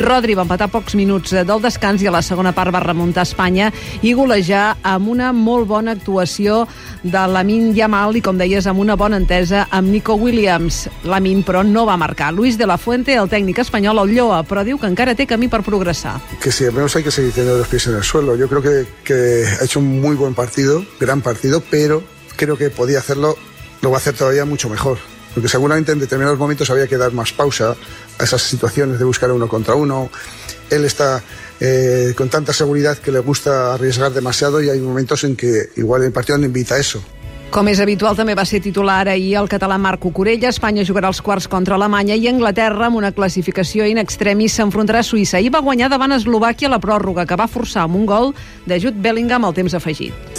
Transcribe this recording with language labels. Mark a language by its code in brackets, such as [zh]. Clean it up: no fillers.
[ca] Rodri va empatar pocs minuts del descans i a la segona part va remuntar Espanya i golejar amb una molt bona actuació de Lamine Yamal i, com deies, amb una bona entesa amb Nico Williams. Lamine, però, no va marcar. Luis de la Fuente, el tècnic espanyol, el lloa, però diu que encara té camí per progressar. [es] Que si almenys hay que seguir teniendo los pies en el suelo. Yo creo que ha hecho un muy buen partido, gran partido, pero creo que podía hacerlo, lo va a hacer todavía mucho mejor. Porque seguramente en determinados momentos había que dar más pausa a esas situaciones de buscar uno contra uno. Él está... con tanta seguridad que le gusta arriesgar demasiado y hay momentos en que igual el partido no invita a eso. [ca] Com és habitual, també va ser titular ahir el català Marc Cucurella. Espanya jugarà els quarts contra Alemanya i Anglaterra, amb una classificació in extremis, s'enfrontarà a Suïssa. Ahir va guanyar davant Eslovàquia la pròrroga, que va forçar amb un gol de Jude Bellingham al temps afegit.